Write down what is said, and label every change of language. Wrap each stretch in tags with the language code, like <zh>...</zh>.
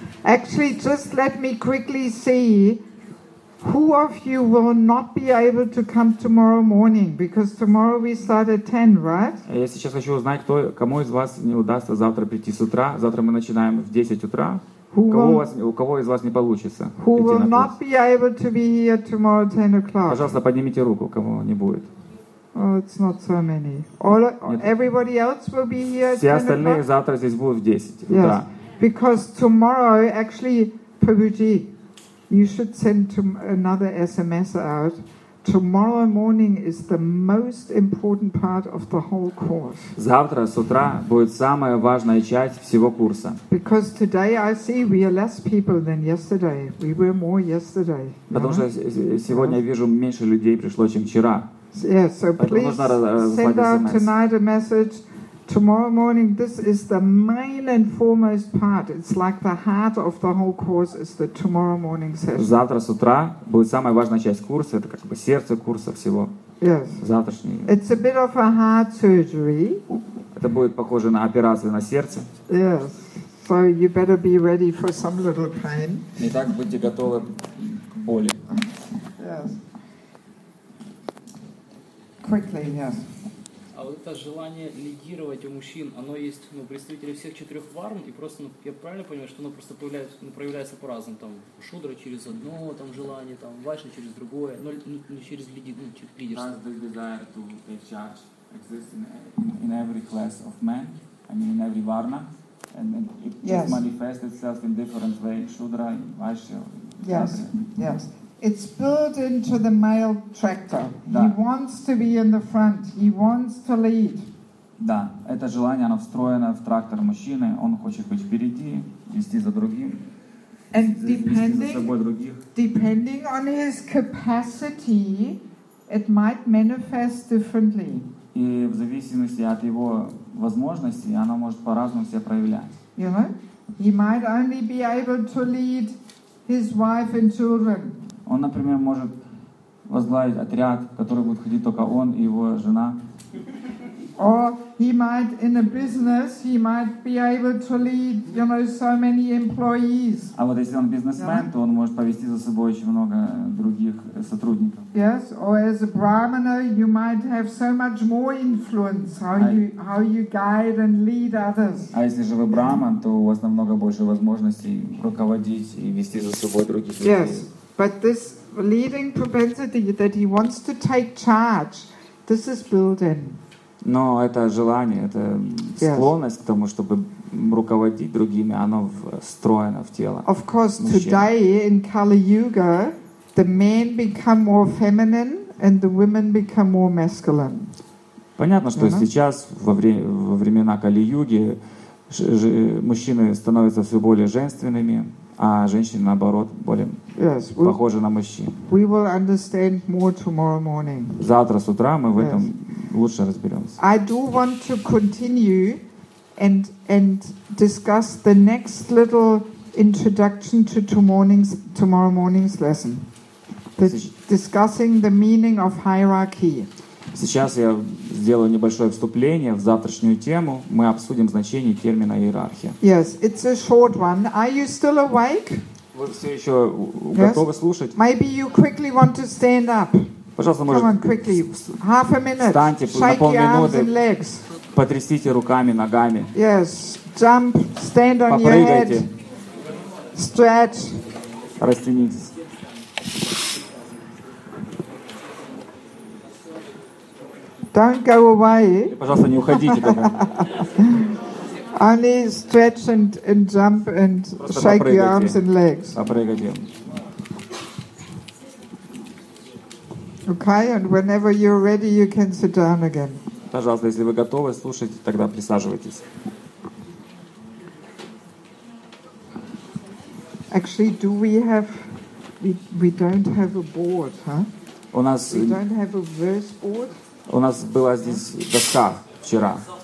<en>Actually, just let me quickly see who of you will not be able to come tomorrow morning, because tomorrow we start at 10, right?</en> <ru>Я сейчас хочу узнать, кто, кому из вас не удастся завтра прийти с утра. Завтра мы начинаем в 10 утра. У кого из вас не получится?</ru> <en>Who will not be able to be here tomorrow at 10 o'clock?</en> <ru>Пожалуйста, поднимите руку, кому не будет.</ru> <en>Oh, it's not so many. All everybody else will be here.</en> <ru>Все остальные завтра здесь будут в 10 утра.</ru> <en>Yes. Because tomorrow, actually, Prabhuji, you should send another SMS out. Tomorrow morning is the most important part of the whole course.</en> <ru>Завтра с утра будет самая важная часть всего курса.</ru> <en>Because today I see we are less people than yesterday. We were more yesterday.</en> <ru>Потому что сегодня я вижу меньше людей пришло, чем вчера.</ru> <en>Yes, so please send out tonight a message. Tomorrow morning, this is the main and foremost part. It's like the heart of the whole course is the tomorrow morning session.</en> <ru>Завтра с утра будет самая важная часть курса. Это как бы сердце курса всего.</ru> <en>Yes.</en> <ru>Завтрашний.</ru> <en>It's a bit of a heart surgery.</en> <ru>Это будет похоже на операцию на сердце.</ru> <en>Yes. So you better be ready for some little pain.</en> <ru>Итак, будьте готовы к боли.</ru> <en>Yes. Quickly, yes.</en> <ru>А вот это желание лидировать у мужчин, оно есть у представителей всех четырех варн, и просто, ну, я правильно понимаю, что оно просто появляется, ну, проявляется по-разному, там, шудра через одно, там, желание, там, вайшна через другое, но, ну, через лидерство. Ну, через лидерство.</ru> <en>Does this desire to take charge exist in every class of men, I mean, in every varna, and it yes. manifests itself in different ways, шудра, вайшна, yes, yes. It's built into the male tractor.</en> <ru>Да.</ru> <en>He wants to be in the front. He wants to lead.</en> <ru>Да, это желание, оно встроено в трактор мужчины. Он хочет быть впереди, вести за другим,</ru> <en>and</en> <ru>вести за собой других.</ru> <en>Depending on his capacity, it might manifest differently.</en> <ru>И в зависимости от его возможностей, оно может по-разному себя проявлять.</ru> <en>You know? He might only be able to lead his wife and children.</en> <ru>Он, например, может возглавить отряд, в который будет ходить только он и его жена.</ru> <en>Or he might in a business, he might be able to lead, you know, so many employees.</en> <ru>А вот если он бизнесмен,</ru> <en>yeah.</en> <ru>то он может повести за собой очень много других сотрудников.</ru> <en>Yes, or as a brahmana, you might have so much more influence how you guide and lead others.</en> <ru>А если же вы браман, то у вас намного больше возможностей руководить и вести за собой других людей.</ru> <en>Yes. But this leading propensity that he wants to take charge, this is built in.</en> <ru>Но это желание, это склонность</ru> <en>yes.</en> <ru>к тому, чтобы руководить другими, оно встроено в тело.</ru> <en>Of course,</en> <ru>мужчины.</ru> <en>Today in Kali Yuga, the men become more feminine and the women become more masculine.</en> <ru>Понятно, что uh-huh. сейчас во времена Кали Юги мужчины становятся все более женственными. А женщины, наоборот, более</ru> <en>yes,</en> <ru>похожи на мужчин.</ru> <en>We will understand more tomorrow morning.</en> <ru>Завтра с утра мы в</ru> <en>yes.</en> <ru>этом лучше разберемся.</ru> <en>I do want to continue and discuss the next little introduction to tomorrow morning's lesson. Discussing the meaning of hierarchy.</en> <ru>Сейчас я сделаю небольшое вступление в завтрашнюю тему. Мы обсудим значение термина иерархия.</ru> <en>Yes, it's a short one. Are you still awake?</en> <ru>Вы все еще готовы</ru> <en>yes.</en> <ru>слушать?</ru> <en>Maybe you quickly want to stand up.</en> <ru>Пожалуйста,</ru> <en>come</en> <ru>может,</ru> <en>on, quickly. Half a minute.</en> <ru>Встаньте</ru> <en>shake</en> <ru>на полминуты.</ru> <en>Your arms and legs.</en> <ru>Потрясите руками, ногами.</ru> <en>Yes, jump, stand on your head. Stretch.</en> <ru>Растянитесь.</ru> <en>Don't go away.</en> <ru>Пожалуйста, не уходите.</ru> <en>Only stretch and jump and</en> <ru>просто</ru> <en>shake your arms and legs.</en> <ru>Попрыгайте.</ru> <en>Okay, and whenever you're ready, you can sit down again.</en> <ru>Пожалуйста, если вы готовы слушать, тогда присаживайтесь.</ru> <en>Actually, do we have... We don't have a board, huh?</en> <ru>У нас...</ru> <en>We don't have a verse board?</en> <ru>У нас была здесь доска вчера.</ru>